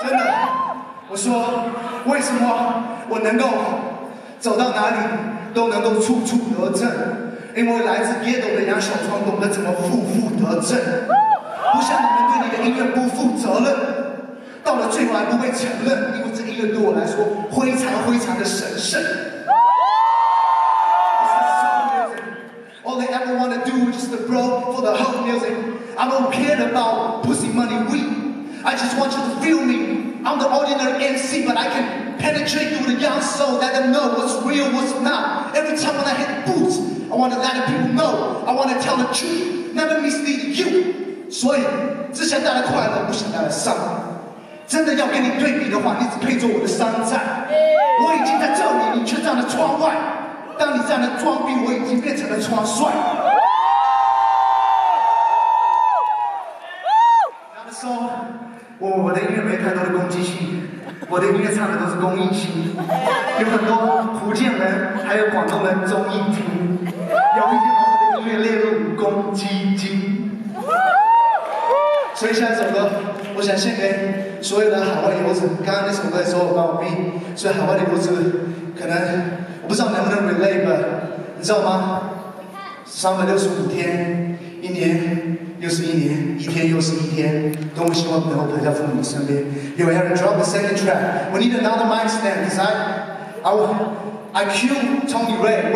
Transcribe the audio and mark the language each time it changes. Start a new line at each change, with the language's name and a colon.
Chinese: 真的，我说为什么我能够走到哪里都能够处处得正，因为来自街头的杨小川懂得怎么负负得正，不像你们对你的音乐不负责任，到了最后还不会承认，因为这音乐对我来说非常非常的神圣。
English: All they ever wanna do is just to blow for the whole music. I don't care about pussy money weed. I just want you to feel me. I'm the ordinary MC, but I can penetrate through the young soul, let them know what's real, what's not. Every time when I hit the boots, I wanna let the people know. I wanna tell the truth, never mislead you.
Chinese: 所以，只想带来快乐，不想带来伤。真的要跟你对比的话，你只配做我的山寨。我已经在这里，你却站在窗外。当你站在装逼，我已经变成了装帅。他们说，我的音乐没太多的攻击性，我的音乐唱的都是公益性，有很多福建人还有广东人中意听。有一天把我的音乐列入公积金。所以下一首歌，我想献给所有的海外留子。刚刚那首歌也说我装逼，所以海外留子可能。不知道能不能 relate 吧，你知道吗？365天，一年又是一年，一天又是一天，多么希望能够陪在父母的身边。
English: Yo, I have to drop the second track. We need another mic stand, because I cue Tony Ray.